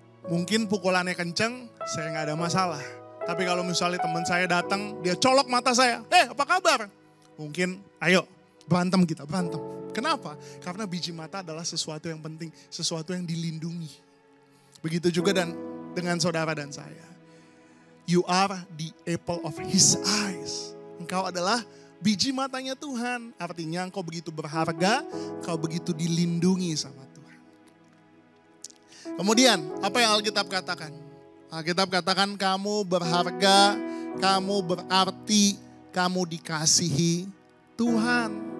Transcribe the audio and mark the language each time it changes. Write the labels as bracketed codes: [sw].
[id] Mungkin pukulannya kenceng, saya gak ada masalah. Tapi kalau misalnya teman saya datang, dia colok mata saya. Apa kabar? Mungkin, ayo, berantem kita, berantem. Kenapa? Karena biji mata adalah sesuatu yang penting, sesuatu yang dilindungi. Begitu juga dengan saudara dan saya. [en] You are the apple of his eyes. [id] Engkau adalah biji matanya Tuhan. Artinya engkau begitu berharga, engkau begitu dilindungi sama Tuhan. Kemudian, apa yang Alkitab katakan? Alkitab katakan kamu berharga, kamu berarti, kamu dikasihi Tuhan.